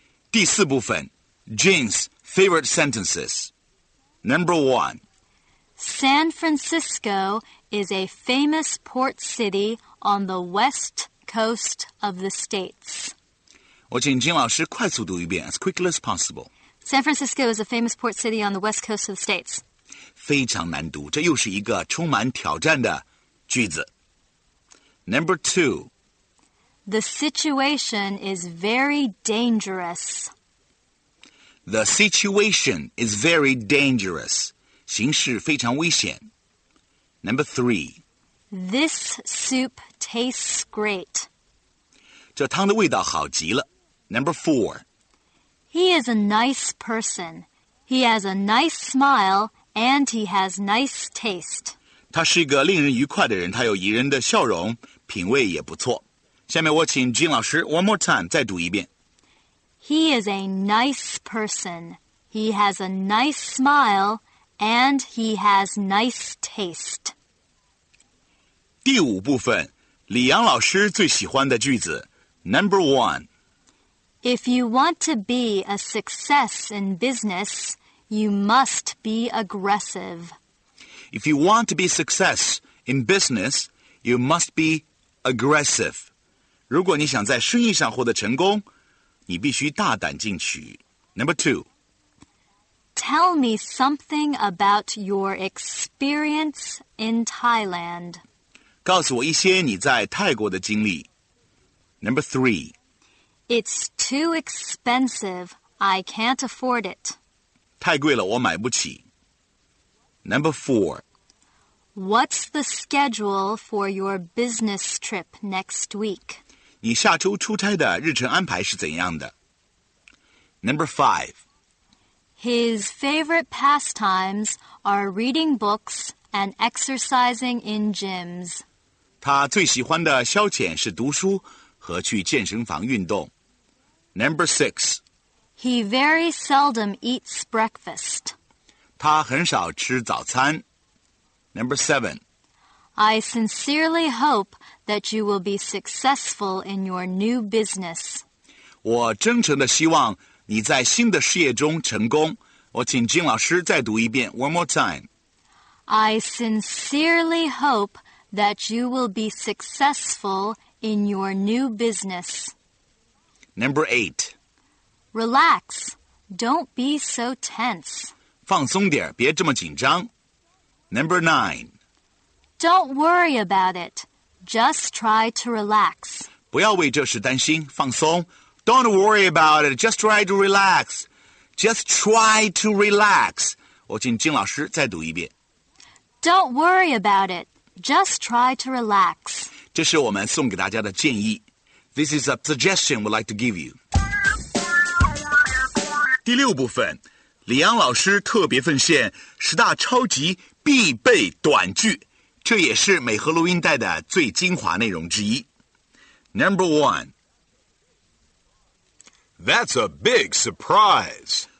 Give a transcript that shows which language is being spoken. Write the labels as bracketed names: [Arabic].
[Chinese] 第四部分 [English] Jean's favorite sentences. Number one. San Francisco is a famous port city on the west coast of the states. [Chinese] 我请金老师快速读一遍 [English] as quickly as possible. San Francisco is a famous port city on the west coast of the states. [Chinese] 非常难读，这又是一个充满挑战的句子。 [English] Number two. The situation is very dangerous. The situation is very dangerous. [Chinese] 形势非常危险。 [English] Number three. This soup tastes great. [Chinese] 这汤的味道好极了。 [English] Number four. He is a nice person. He has a nice smile and he has nice taste. [Chinese] 他是一个令人愉快的人，他有宜人的笑容，品味也不错。下面我请金老师 [English] one more time [Chinese] 再读一遍。 [English] He is a nice person. He has a nice smile, and he has nice taste. [Chinese] 第五部分，李阳老师最喜欢的句子 ， [English] Number one. If you want to be a success in business, you must be aggressive. If you want to be success in business, you must be aggressive. [Chinese] 如果你想在生意上获得成功。你必须大胆进取。 [English] Number two. Tell me something about your experience in Thailand. [Chinese] 告诉我一些你在泰国的经历。 [English] Number three. It's too expensive. I can't afford it. [Chinese] 太贵了，我买不起。 [English] Number 4. What's the schedule for your business trip next week? [Chinese] 你下周出差的日程安排是怎样的? [English] Number 5. His favorite pastimes are reading books and exercising in gyms. [Chinese] 他最喜欢的消遣是读书和去健身房运动。 [English] Number 6. He very seldom eats breakfast. [Chinese] 他很少吃早餐。 [English] Number 7. I sincerely hope that you will be successful in your new business. [Chinese] 我真诚地希望你在新的事业中成功。我请金老师再读一遍 , [English] one more time. I sincerely hope that you will be successful in your new business. Number 8. Relax. Don't be so tense. [Chinese] 放松点,别这么紧张。 [English] Number 9. Don't worry about it. Just try to relax. [Chinese] 不要为这事担心,放松。 [English] Don't worry about it. Just try to relax. Just try to relax. [Chinese] 我请金老师再读一遍。 Don't worry about it. Just try to relax. 这是我们送给大家的建议。 [English] This is a suggestion we'd like to give you. [Chinese] 第六部分,李阳老师特别奉献十大超级必备短句，这也是美和录音带的最精华内容之一。 [English] Number one, that's a big surprise.